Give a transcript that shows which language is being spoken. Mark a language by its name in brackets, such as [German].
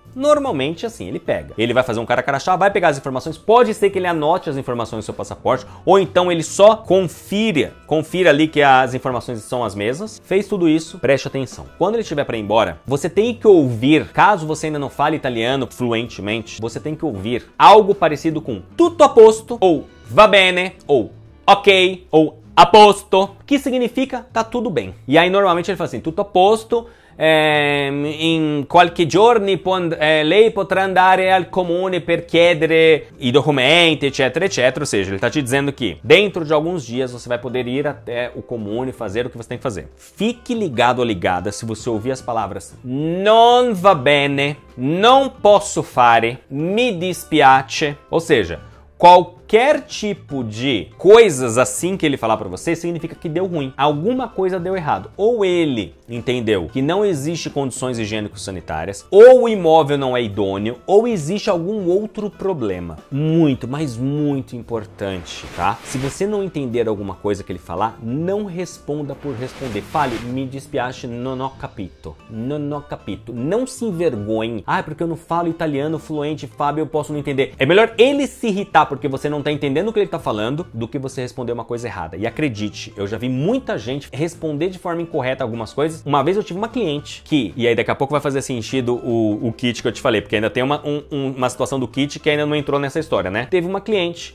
[Portuguese] Normalmente, assim, ele pega. Ele vai fazer um cara crachá, vai pegar as informações, pode ser que ele anote as informações do seu passaporte, ou então ele só confira ali que as informações são as mesmas. Fez tudo isso, preste atenção. Quando ele estiver para ir embora, você tem que ouvir, caso você ainda não fale italiano fluentemente, você tem que ouvir algo parecido com [Italian] tutto a posto, [Portuguese] ou [Italian] va bene, [Portuguese] ou ok, ou [Italian] a posto, [Portuguese] que significa tá tudo bem. E aí, normalmente, ele fala assim, [Italian] tutto a posto, in qualche giorni lei potrà andare al comune per chiedere i documenti, eccetera, eccetera. [Portuguese] Ou seja, ele está te dizendo que dentro de alguns dias você vai poder ir até o comune fazer o que você tem que fazer. Fique ligado ou ligada se você ouvir as palavras [Italian] non va bene, non posso fare, mi dispiace. [Portuguese] Ou seja, qualquer tipo de coisas assim que ele falar pra você, significa que deu ruim. Alguma coisa deu errado. Ou ele entendeu que não existe condições higiênico-sanitárias, ou o imóvel não é idôneo, ou existe algum outro problema. Muito, mas muito importante, tá? Se você não entender alguma coisa que ele falar, não responda por responder. [Italian] Fale, mi dispiace, non ho capito. Non ho capito. [Portuguese] Não se envergonhe. Ah, porque eu não falo italiano fluente, Fábio, eu posso não entender. É melhor ele se irritar porque você não tá entendendo o que ele tá falando, do que você responder uma coisa errada. E acredite, eu já vi muita gente responder de forma incorreta algumas coisas. Uma vez eu tive uma cliente que, e aí daqui a pouco vai fazer sentido o kit que eu te falei, porque ainda tem uma situação do kit que ainda não entrou nessa história, né? Teve uma cliente.